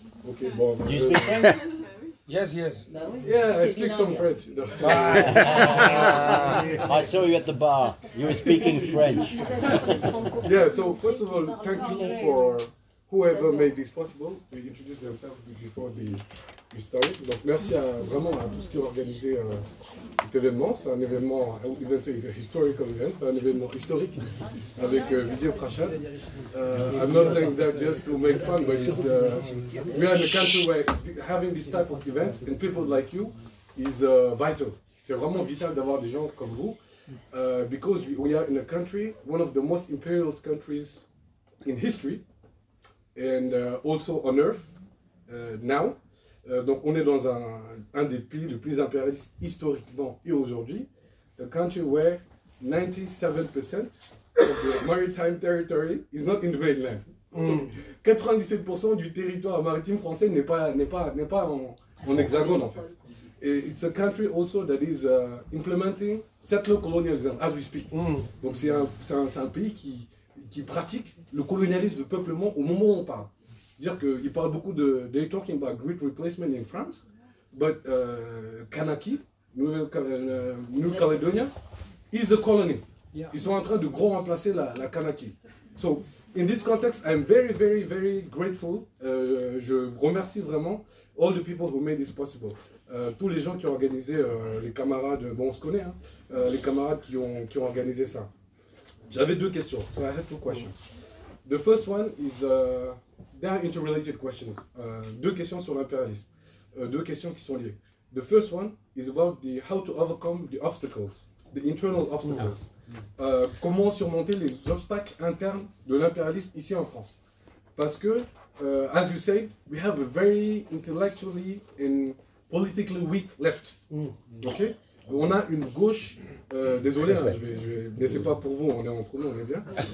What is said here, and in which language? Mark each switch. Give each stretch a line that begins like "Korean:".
English: Okay, both. Do you speak French? Yes. Yeah, I speak some French. No. I saw you at the bar. You were speaking French. Yeah, so first of all, thank you for whoever made this possible. They introduced themselves before the story.
French: Donc merci à vraiment à tous qui ont organisé cet événement. C'est un événement,
English: I would even say it's a historical event,
French: c'est un événement historique avec Vijay Prashad.
English: I'm not saying that just to make fun, but it's we are in a country where having this type of events and people like you is vital.
French: C'est vraiment vital d'avoir des gens comme vous,
English: because we are in a country, one of the most imperial countries in history, and also on earth now.
French: Donc on est dans un des pays les plus impérialistes historiquement et aujourd'hui,
English: a country where 97% of the maritime territory is not in the mainland.
French: Mm. 97% du territoire maritime français n'est pas en hexagone en fait.
English: Et it's a country also that is implementing settler colonialism as we speak. Mm.
French: Donc c'est un pays qui pratique le colonialisme de peuplement au moment où on parle. Dire qu'ils parlent beaucoup de.
English: They're talking about great replacement in France, but Kanaky, Nouvelle-Calédonie, is a colony. Yeah.
French: Ils sont en train de gros remplacer la Kanaky.
English: So, in this context, I'm very, very, very grateful.
French: Je remercie vraiment
English: all the people who made this possible.
French: Tous les gens qui ont organisé, les camarades, bon, on se connaît, hein, les camarades qui ont organisé ça. J'avais deux questions.
English: So, I had two questions. The first one is. There are interrelated questions.
French: Deux questions sur l'impérialisme. Deux questions qui sont liées.
English: The first one is about the how to overcome the obstacles, the internal obstacles.
French: Comment surmonter les obstacles internes de l'impérialisme ici en France? Parce que,
English: as you say, we have a very intellectually and politically weak left. Okay?
French: On a une gauche, désolé, mais c'est pas pour vous, on est entre nous, on est bien.